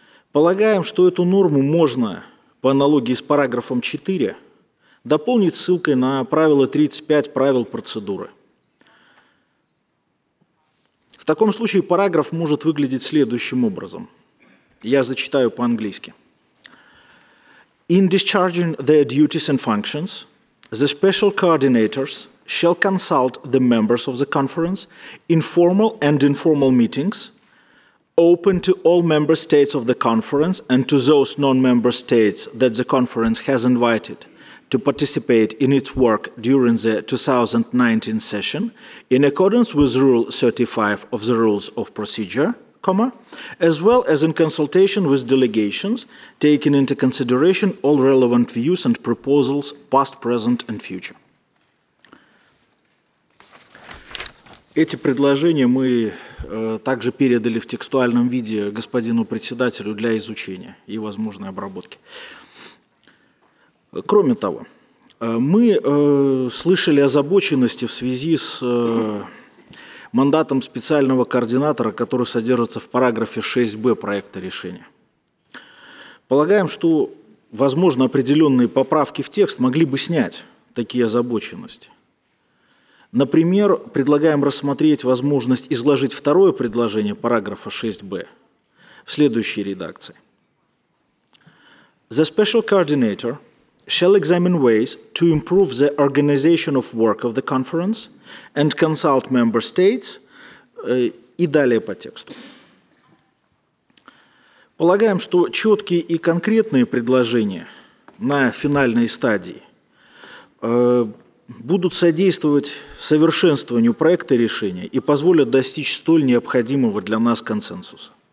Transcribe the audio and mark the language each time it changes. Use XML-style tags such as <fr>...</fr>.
<ru>Полагаем, что эту норму можно, по аналогии с параграфом 4, дополнить ссылкой на правило 35 правил процедуры. В таком случае параграф может выглядеть следующим образом. Я зачитаю по-английски.</ru> <en>In discharging their duties and functions, the special coordinators shall consult the members of the conference in formal and informal meetings open to all member states of the conference and to those non-member states that the conference has invited to participate in its work during the 2019 session in accordance with Rule 35 of the Rules of Procedure, as well as in consultation with delegations, taking into consideration all relevant views and proposals, past, present and future.</en> <ru>Эти предложения мы также передали в текстуальном виде господину председателю для изучения и возможной обработки. Кроме того, мы слышали озабоченности в связи с мандатом специального координатора, который содержится в параграфе 6b проекта решения. Полагаем, что, возможно, определенные поправки в текст могли бы снять такие озабоченности. Например, предлагаем рассмотреть возможность изложить второе предложение параграфа 6b в следующей редакции.</ru> <en>The special coordinator shall examine ways to improve the organization of work of the conference and consult member states.</en> <ru>И далее по тексту. Полагаем, что четкие и конкретные предложения на финальной стадии будут содействовать совершенствованию проекта решения и позволят достичь столь необходимого для нас консенсуса.</ru>